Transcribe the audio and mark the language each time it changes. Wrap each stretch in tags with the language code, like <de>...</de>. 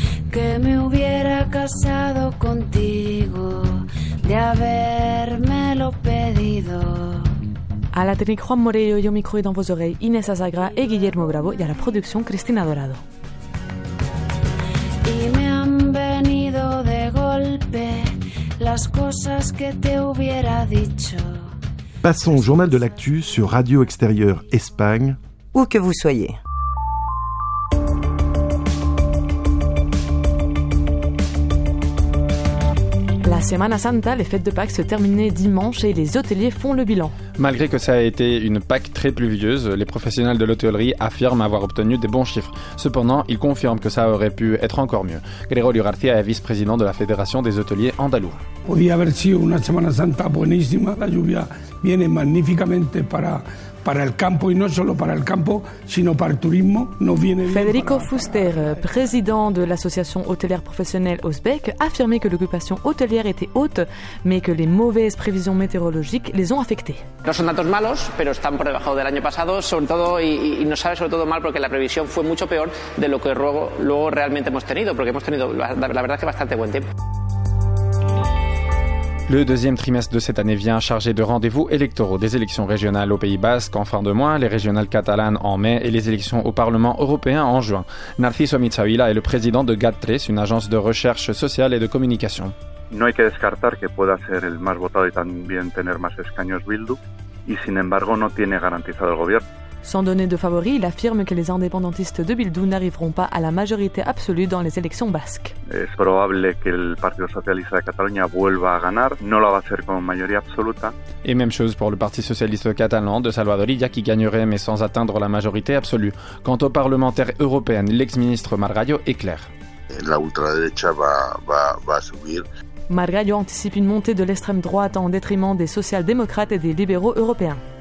<es>Que me hubiera casado contigo, de haberme lo pedido.</es> <fr>À la technique Juan Morello et au micro et dans vos oreilles, Inés Azagra et Guillermo Bravo et à la production Cristina Dorado.</fr> <es>Y me han venido de golpe las cosas que te hubiera dicho.</es> <fr>Passons au journal de l'actu sur Radio Extérieure Espagne. Où que vous soyez. Semana Santa, les fêtes de Pâques se terminaient dimanche et les hôteliers font le bilan. Malgré que ça a été une Pâques très pluvieuse, les professionnels de l'hôtellerie affirment avoir obtenu des bons chiffres. Cependant, ils confirment que ça aurait pu être encore mieux. Gregorio García est vice-président de la Fédération des hôteliers andalous.</fr> <es>Podría haber sido una Semana Santa buenísima. La lluvia viene magníficamente para el campo y no solo para el campo, sino para el turismo. No viene</es> <fr>Federico Fuster, président de l'association hôtelière professionnelle Osbec, affirmait que l'occupation hôtelière était haute, mais que les mauvaises prévisions météorologiques les ont affectées.</fr> <es>No son datos malos, pero están por debajo del año pasado, sobre todo y no sabe sobre todo mal porque la previsión fue mucho peor de lo que luego realmente hemos tenido, porque hemos tenido la verdad que bastante buen tiempo.</es> <fr>Le deuxième trimestre de cette année vient chargé de rendez-vous électoraux, des élections régionales au Pays Basque en fin de mois, les régionales catalanes en mai et les élections au Parlement européen en juin. Narciso Mitjavila est le président de GAT3, une agence de recherche sociale et de communication.</fr> <es>No hay que descartar que pueda ser el más votado y también tener más escaños Bildu, y sin embargo no tiene garantizado el gobierno.</es> <fr>Sans donner de favoris, il affirme que les indépendantistes de Bildu n'arriveront pas à la majorité absolue dans les élections basques.</fr> <es>Es probable que el Partido Socialista de Cataluña vuelva a ganar, no lo va a hacer con mayoría absoluta.</es> <fr>Et même chose pour le Parti Socialiste Catalan de Salvador Illa qui gagnerait mais sans atteindre la majorité absolue. Quant aux parlementaires européennes, l'ex-ministre Margallo est clair.</fr> <es>La ultraderecha va a subir.</es> <fr>Margallo anticipe une montée de l'extrême droite en détriment des social-démocrates et des libéraux européens.</fr>